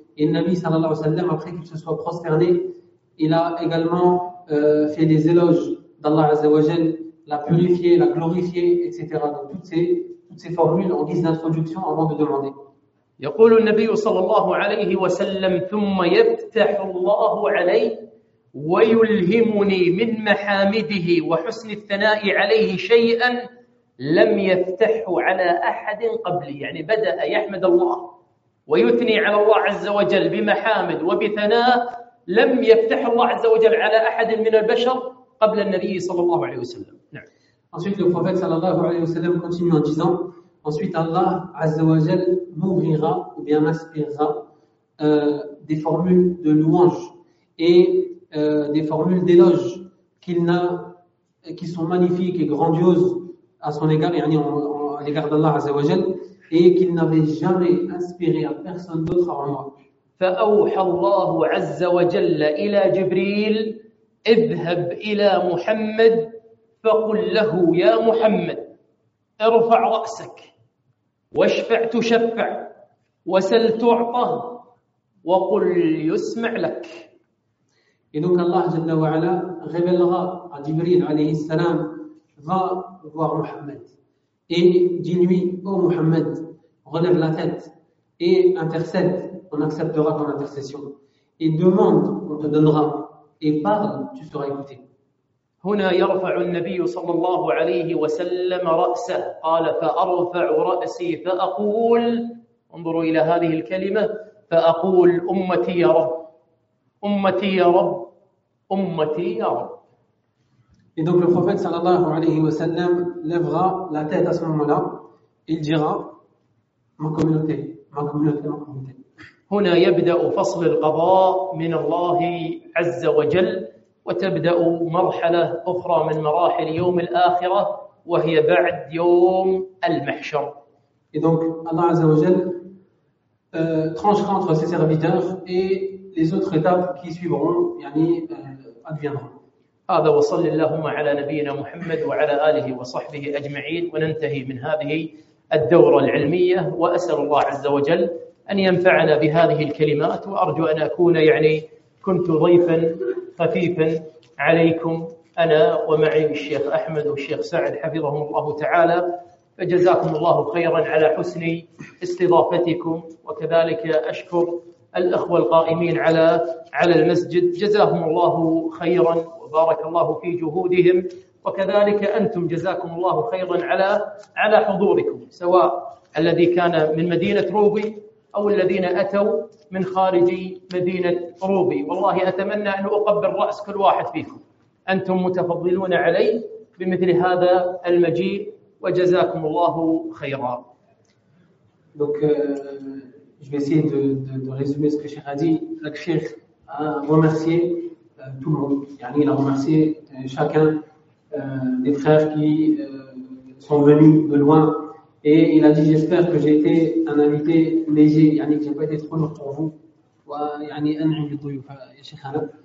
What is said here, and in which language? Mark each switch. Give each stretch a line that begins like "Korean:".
French: Et le Nabi sallallahu alayhi wa sallam, après qu'il se soit prosterné, il a également fait des éloges d'Allah Azza wa Jal, l'a purifié, l'a glorifié, etc. Donc toutes ces formules en guise d'introduction avant de demander.
Arabic: يقول النبي صلى الله عليه وسلم ثم يفتح الله علي ويلهمني من محامده وحسن الثناء عليه شيئا لم يفتحه على أحد قبلي. يعني بدأ يحمد الله ويثني على الله عز وجل بمحامد وبثناء لم يفتح الله عز وجل على أحد من البشر قبل النبي صلى الله عليه وسلم. نعم.
French: Ensuite le prophète صلى الله عليه وسلم continue en disant: ensuite Allah عز وجل m'ouvrira ou bien m'inspirera des formules de louange et des formules d'éloge qui sont magnifiques et grandioses à son égard, yani à l'égard d'Allah عز وجل, et qu'il n'avait jamais inspiré à personne d'autre avant moi.
Arabic: فأوحى الله عز وجل إلى جبريل اذهب إلى محمد فقل له يا محمد ارفع رأسك واشفع تشفع وسل تعطى وقل يسمع لك.
French: Et donc Allah جل وعلا révélera à Jibril عليه السلام va voir Muhammad et dis-lui ô Muhammad relève la tête et intercède. On acceptera ton intercession. Et demande, on te donnera. Et parle, tu seras écouté.
Arabic: هنا يرفع النبي صلى الله عليه وسلم رأسه. قال فأرفع رأسي فأقول. انظروا إلى هذه الكلمة. فأقول أمتي يا رب. أمتي يا رب. أمتي يا رب.
French: Et donc le prophète صلى الله عليه وسلم lèvera la tête à ce moment-là. Il dira: ma communauté, ma communauté, ma communauté.
Arabic: هنا يبدأ فصل القضاء من الله عز وجل وتبدأ مرحلة أخرى من مراحل يوم الآخرة وهي بعد يوم المحشر.
French: Et donc Allah عز وجل tranchera entre ses serviteurs et les autres étapes qui suivront, يعني adviendront.
Arabic: هذا وصلى اللهم على نبينا محمد وعلى آله وصحبه أجمعين. وننتهي من هذه الدورة العلمية وأسأل الله عز وجل أن ينفعنا بهذه الكلمات وأرجو أن أكون يعني كنت ضيفا خفيفا عليكم أنا ومعي الشيخ أحمد والشيخ سعد حفظهم الله تعالى. فجزاكم الله خيرا على حسن استضافتكم وكذلك أشكر الأخوة القائمين على المسجد جزاهم الله خيرا وبارك الله في جهودهم وكذلك أنتم جزاكم الله خيرا على حضوركم سواء الذي كان من مدينة روبي أو الذين أتوا من خارج مدينة روبي. والله أتمنى أن أقبل رأس كل واحد فيكم. أنتم متفضلون علي بمثل هذا المجيء وجزاكم الله خيرا.
French: Donc je vais essayer de résumer ce que Cheikh a dit. Le Cheikh a remercié tout le monde. يعني il a remercié chacun des frères qui sont venus de loin. Et il a dit: j'espère que j'ai été un invité léger, yani que j'ai pas été trop lourd pour vous.
Arabic: Wa yani an'am bi dhuyufa ya shaykhana.